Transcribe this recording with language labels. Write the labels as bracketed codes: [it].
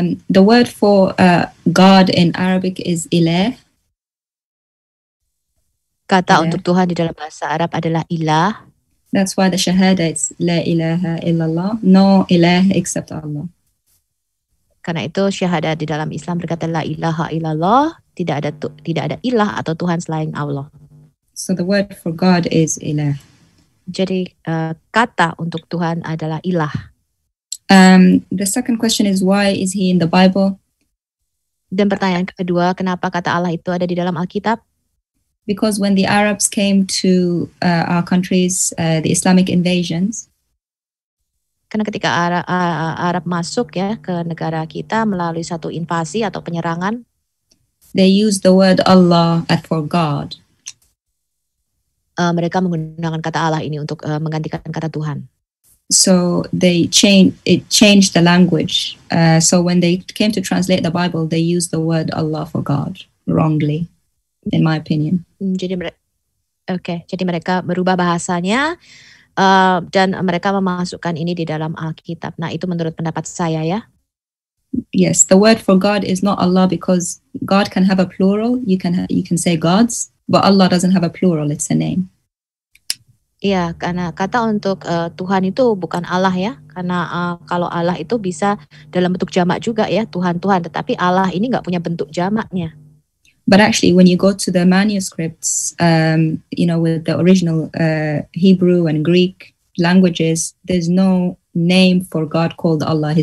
[en] The word for God in Arabic is ilah. [id] Kata ilah. Untuk Tuhan di dalam bahasa Arab adalah ilah. [en] That's why the shahada is [ar] la ilaha illallah, [en] no ilah except Allah. [id] Karena itu syahadat di dalam Islam berkata [ar] la ilaha illallah, [id] tidak ada ilah atau Tuhan selain Allah. [en] So the word for God is ilah. [id] Jadi kata untuk Tuhan adalah ilah. [en] The second question is why is he in the Bible? [id] Dan pertanyaan kedua, kenapa kata Allah itu ada di dalam Alkitab? [en] Because when the Arabs came to our countries, the Islamic invasions. [id] Karena ketika Arab masuk, ya, ke negara kita melalui satu invasi atau penyerangan, [en] they use the word Allah for God. [id] Mereka menggunakan kata Allah ini untuk menggantikan kata Tuhan. [en] So they changed the language. So when they came to translate the Bible, they used the word Allah for God wrongly, in my opinion. [id] Jadi mereka berubah bahasanya. Dan mereka memasukkan ini di dalam Alkitab. Nah, itu menurut pendapat saya, ya. [en] Yes, the word for God is not Allah because God can have a plural. You can say gods, but Allah doesn't have a plural. It's a name. [id] Iya, karena kata untuk Tuhan itu bukan Allah, ya. Karena kalau Allah itu bisa dalam bentuk jamak juga, ya, Tuhan-Tuhan. Tetapi Allah ini nggak punya bentuk jamaknya. [en] But actually, when you go to the manuscripts, you know, with the original Hebrew and Greek languages, there's no name for God called Allah.